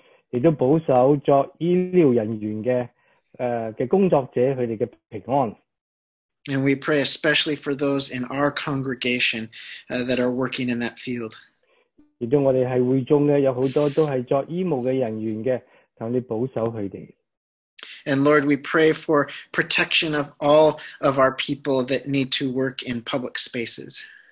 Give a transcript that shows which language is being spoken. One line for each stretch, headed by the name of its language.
Chinese: 也都保守作医疗人员的工作者他们的平安。
English: And we pray especially for those in our congregation that are working in that field.
Chinese: 也都我们是会中的,有很多都是作医务的人员的,求你保守他们。
English: And Lord, we pray for protection of all of our people that need to work in public spaces.